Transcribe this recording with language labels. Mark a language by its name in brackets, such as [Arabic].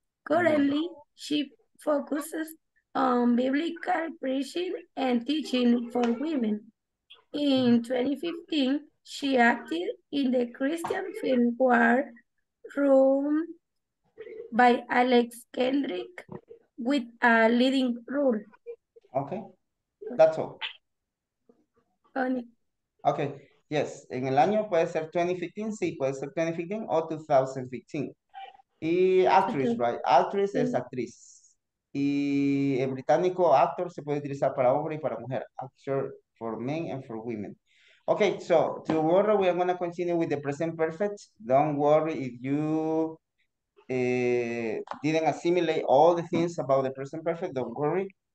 [English] Currently, she focuses on biblical preaching and teaching for women. In 2015, she acted in the Christian film War Room by Alex Kendrick with a leading role. Okay, that's all. Funny. [Spanish] Okay, yes, en el año puede ser 2015, sí, puede ser 2015 o 2015. Y actress, okay. Right? Actress es actriz. Y en británico, actor se puede utilizar para hombre y para mujer. [English] Actor for men and for women. Okay, so tomorrow we are going to continue with the present perfect. Don't worry if you didn't assimilate all the things about the present perfect. Don't worry.